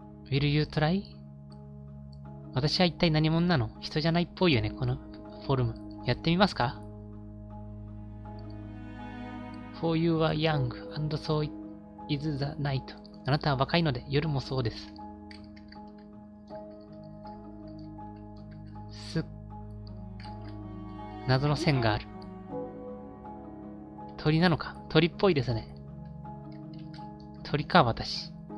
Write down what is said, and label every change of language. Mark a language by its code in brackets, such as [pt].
[en] Will you try? [ja] 私は一体何者なの？人じゃないっぽいよね、このフォルム。やってみますか？ [en] For you are young, and so is the night。 [ja] あなたは若いので、夜もそうです。謎の線がある。鳥なのか？鳥っぽいですね。鳥か、私。